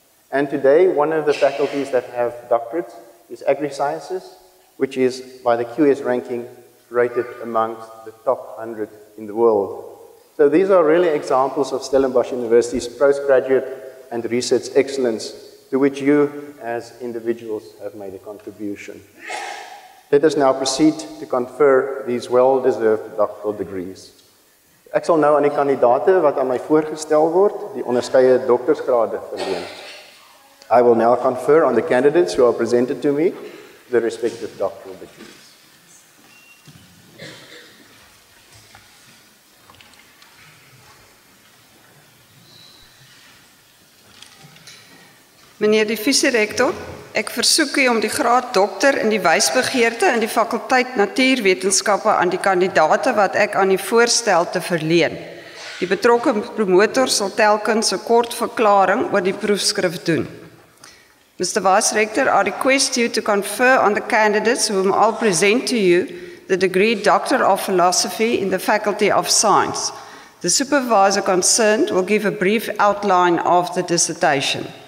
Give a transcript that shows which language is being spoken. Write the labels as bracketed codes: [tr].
[en] And today, one of the faculties that have doctorates is AgriSciences, which is by the QS ranking rated amongst the top 100 in the world. So these are really examples of Stellenbosch University's postgraduate and research excellence to which you as individuals have made a contribution. Let us now proceed to confer these well-deserved doctoral degrees. [af] Ek sal nou aan die kandidate wat aan my voorgestel word, die onderskeie doktorsgrade verleen. [en] I will now confer on the candidates who are presented to me the respective doctoral degrees. [af] Meneer die vice-rector, ek versoek u om die graad dokter in die wysbegeerte in die fakulteit natuurwetenskappe aan die kandidate wat ek aan u voorstel te verleen. Die betrokke promotor sal telkens 'n kort verklaring oor die proefskrif doen. [en] Mr. Vice-Rector, I request you to confer on the candidates whom I'll present to you the degree Doctor of Philosophy in the Faculty of Science. The supervisor concerned will give a brief outline of the dissertation.